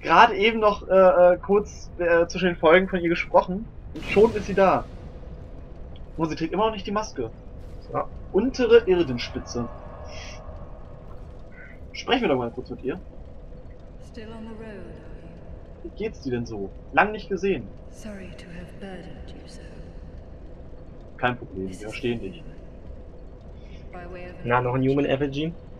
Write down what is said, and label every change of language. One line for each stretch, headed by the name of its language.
German: Gerade eben noch kurz zwischen den Folgen von ihr gesprochen. Und schon ist sie da. Und sie trägt immer noch nicht die Maske. So. Untere Irdenspitze. Sprechen wir doch mal kurz mit ihr.
English: Still on the road.
German: Wie geht's dir denn so? Lang nicht gesehen.
English: Sorry to have burdened you so.
German: Kein Problem, wir verstehen dich. Na, noch ein Human Effigy?